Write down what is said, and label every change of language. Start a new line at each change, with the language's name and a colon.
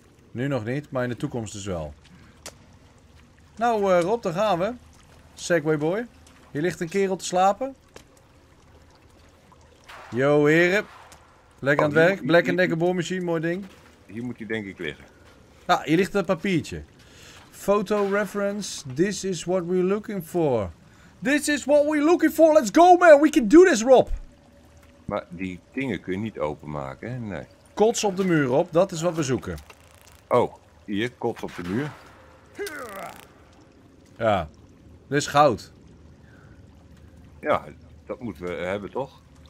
Dutch: Nu nog niet, maar in de toekomst dus wel. Nou, Rob, daar gaan we. Segway boy. Hier ligt een kerel te slapen. Yo, heren. Lekker aan het werk. Black & Decker boormachine, mooi ding. Hier moet hij denk ik liggen. Ja, hier ligt een papiertje.
English: Photo reference, this is what we're looking for. This is what we're looking for, let's go man, we can do this Rob.
Dutch: Maar die dingen kun je niet openmaken, hè? Nee. Kots op de muur Rob, dat is wat we zoeken. Oh, hier, kots op de muur. Ja, dit is goud. Ja, dat moeten we hebben toch?